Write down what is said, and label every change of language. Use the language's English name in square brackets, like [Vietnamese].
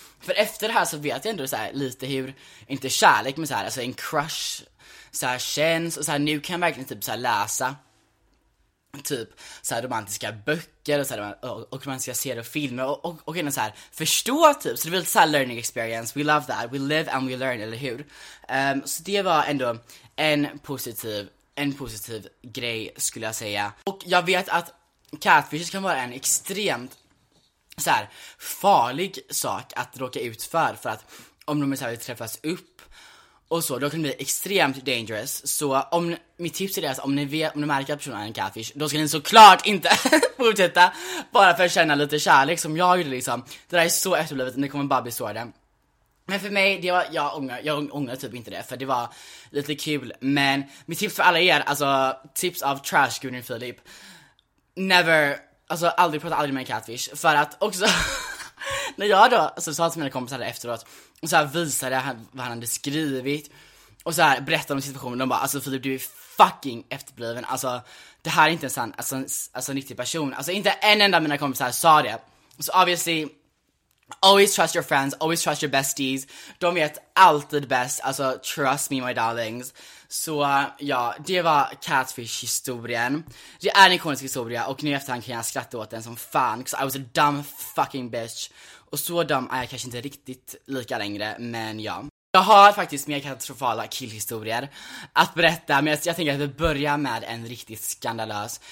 [Swedish] För efter det här så vet jag ändå så här, lite hur, inte kärlek, men så här, alltså en crush så här känns. Och så här, nu kan jag verkligen typ så här läsa typ så här romantiska böcker och så här, och romantiska serier och filmer och ändå så här förstå typ. Så det blir lite så här [English] learning experience. We love that. We live and we learn, [Swedish] eller hur? Så det var ändå en positiv grej skulle jag säga. Och jag vet att catfish kan vara en extremt så här farlig sak att råka ut för att om de så här vill träffas upp och så, då kan det bli extremt dangerous. Så om mitt tips är det, alltså, om ni märker att personen är en catfish, då ska ni såklart inte fortsätta bara för att känna lite kärlek som jag gjorde liksom. Det där är så efterblivet, ni kommer bara bli sårade. Men för mig, det var, jag ångrar typ inte det, för det var lite kul. Men mitt tips för alla er, alltså tips av trash Gunnar Filip, never, alltså aldrig prata aldrig med en catfish. För att också när jag då, alltså sa till mina kompisar efteråt och så här visade han vad han hade skrivit och så här berättade om situationen, de bara, alltså Filip, du är fucking efterbliven, alltså det här är inte en sann, alltså en riktig person, alltså inte en enda av mina kompisar sa det. Så [English] obviously always trust your friends, always trust your besties, [Swedish] de vet alltid bäst, alltså [English] trust me my darlings. [Swedish] Så ja, det var catfish historien det är en ikonisk historia och nu efterhand kan jag skratta åt den som fan, [English] 'cause I was a dumb fucking bitch. [Swedish] Och så dum är jag kanske inte riktigt lika längre, men ja. Jag har faktiskt mer katastrofala killhistorier att berätta, men jag tänker att vi börjar med en riktigt skandalös.